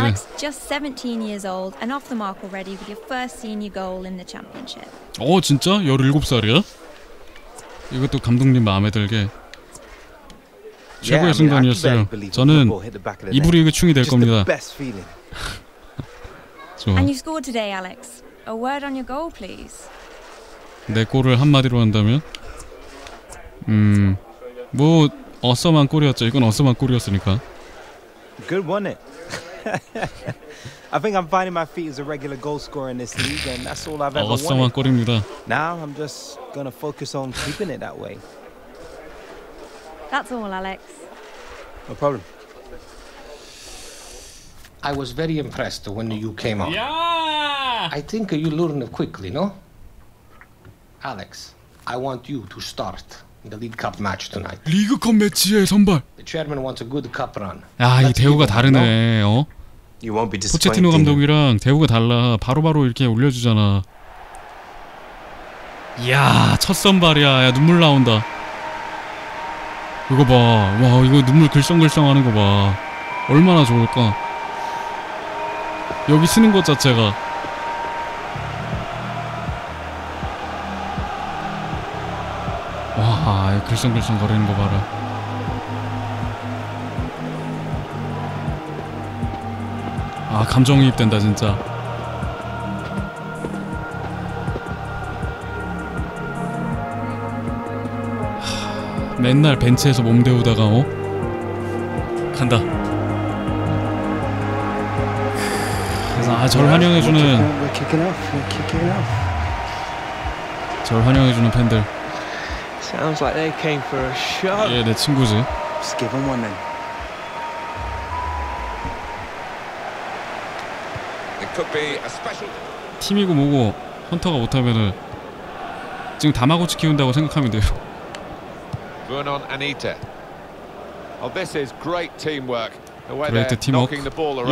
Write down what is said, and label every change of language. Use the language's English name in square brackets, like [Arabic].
[English] Alex, just 17 years old and off the mark already with your first senior goal in the championship. [Korean] 어, 진짜? 17살이야? 이것도 감독님 마음에 들게. 최고의 순간이었어요. 저는 이부 리그 충이 될 겁니다. [English] And you scored today, Alex. A word on your goal, please. [Korean] 내 골을 한마디로 한다면? 뭐 어썸한 골이었죠. 이건 어썸한 골이었으니까. [English] Good, wasn't it? I think I'm finding my feet as a regular goal scorer in this league, and that's all I've ever wanted. [Korean] 어썸한 골입니다. [English] Now I'm just gonna focus on keeping it that way. That's all, Alex. No problem. I was very impressed when you came on. Yeah. I think you learned quickly, no? Alex, I want you to start. The League Cup match tonight. [Korean] 리그컵 매치에 선발. [English] The chairman wants a good cup run. [Korean] 야, 이 대우가 다르네. 어? [English] You won't be disappointed. [Korean] 포체티노 감독이랑 대우가 달라. 바로 이렇게 올려주잖아. 야, 첫 선발이야. 야, 눈물 나온다. 이거 봐. 와, 이거 눈물 글썽글썽 하는 거 봐. 얼마나 좋을까. 여기 쓰는 것 자체가. 글썽글썽 거리는 거 봐라. 아, 감정이입 된다 진짜. 하, 맨날 벤치에서 몸 데우다가 어? 간다. 아, 저를 환영해주는 팬들. [English] Sounds like they came for a shot. [Korean] 예, 내 친구지. [English] Just give them one then. It could be a special. [Korean] 팀이고 뭐고 헌터가 못하면은 지금 다마고치 키운다고 생각하면 돼요. [English] Vernon Anita. Oh, this is great teamwork. The way they're knocking the ball around.